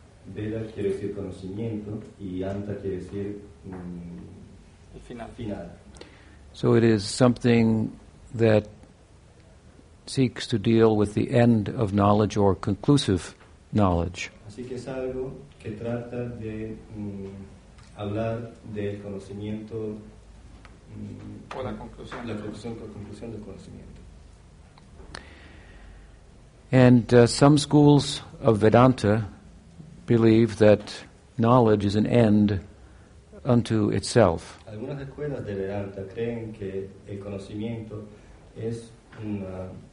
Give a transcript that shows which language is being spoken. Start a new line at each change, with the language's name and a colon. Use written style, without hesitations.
Spanish: Veda quiere decir conocimiento y anta quiere decir final.
English: So it is something that seeks to deal with the end of knowledge or conclusive knowledge.
Spanish: Así que es algo que trata de hablar del conocimiento o la conclusión del conocimiento.
English: And some schools of Vedanta believe that knowledge is an end unto itself.
Spanish: Algunas escuelas de Vedanta creen que el conocimiento es una